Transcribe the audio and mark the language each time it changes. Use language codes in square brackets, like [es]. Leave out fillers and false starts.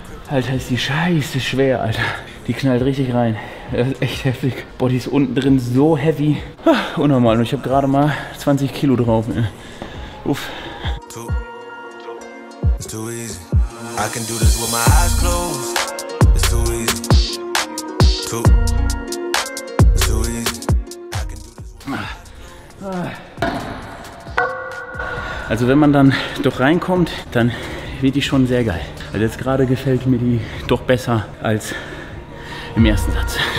[de] Alter, ist die Scheiße schwer, Alter. Die knallt richtig rein. Das ist echt heftig. Boah, die ist unten drin so heavy. Ah, unnormal. Und ich habe gerade mal 20 Kilo drauf. Uff. [en] It's too easy. I can do this with my eyes closed. It's too easy. Too. It's too easy. I can do this with my [de] Also wenn man dann doch reinkommt, dann wird die schon sehr geil. Also jetzt gerade gefällt mir die doch besser als im ersten Satz.